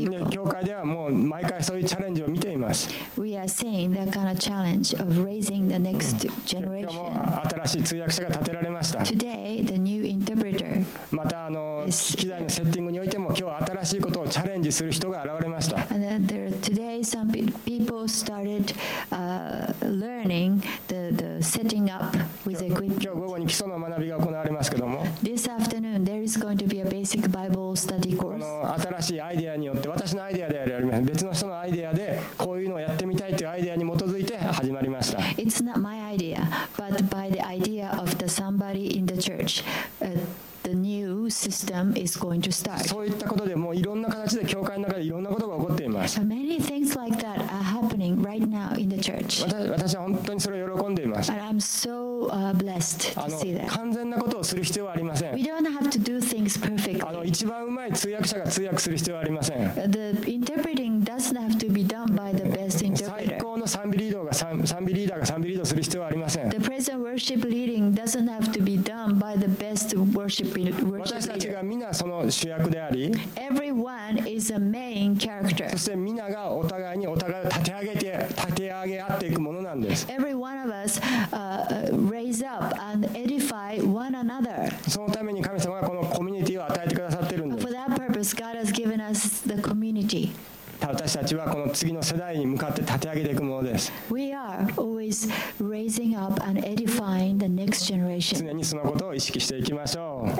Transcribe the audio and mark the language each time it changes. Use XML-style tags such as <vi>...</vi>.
<ja>教会ではもう毎回そういうチャレンジを見ています。今日も新しい通訳者が立てられました。</ja> <en>Today, the new interpreter</en> <ja>また機材のセッティングにおいても今日新しいことをチャレンジする人が現れました。</ja> <en>And there, today, some people started, learning the setting up with equipment.</en> <ja>今日午後に基礎の学びが行われますけども、</ja> <en>This afternoon, there is going to be a basic Bible.</en> <ja>新しいアイデアによって、私のアイデアではありません、別の人のアイデアでこういうのをやってみたいというアイデアに基づいて始まりました。</ja> <en>It's not my idea, but by the idea of the somebody in the church, the new system is going to start.</en> <ja>そういったことでもういろんな形で教会の中でいろんなことが起こっています。</ja> <en>Many things like that are happening right now in the church.</en> <ja>私は本当にそれを喜んでいます。</ja> <en>And I'm soblessed to see that.</en> <ja>完全なことをする必要はありません。</ja> <en>We don't have to do things perfectly.</en> <ja>一番うまい通訳者が通訳する必要はありません。</ja> <en>The interpreting doesn't have to be done by the best interpreter.</en> <ja>最高の賛美リードが賛美リーダーが賛美リードする必要はありません。</ja> <en>The present worship leading doesn't have to be done by the best worship leader.</en> <ja>私たちがみんなその主役であり、</ja> <en>Everyone is a main character.</en> <ja>そしてみんながお互いにお互いを立て上げ合っていくものなんです。</ja> <en>Every one of us, raise up and edify one another.</en> <ja>そのために神様がこのコミュニティを与えてくださってるんです。</ja> <en>For that purpose, God has given us the community.</en> <ja>次の世代に向かって立て上げていくものです。</ja> <en>We are always raising up and edifying the next generation.</en> <ja>常にそのことを意識していきましょう。</ja>